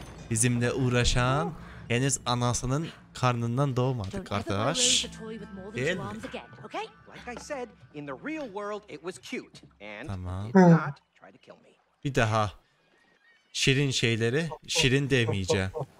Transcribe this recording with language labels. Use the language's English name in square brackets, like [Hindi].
[Turkish] Bizimle uğraşan henüz anasının karnından doğmadık arkadaş. Değil mi? [English] Like I said, in the real world it was cute and tamam. Not try to kill me. [Turkish] Bir daha şirin şeyleri şirin demeyeceğim.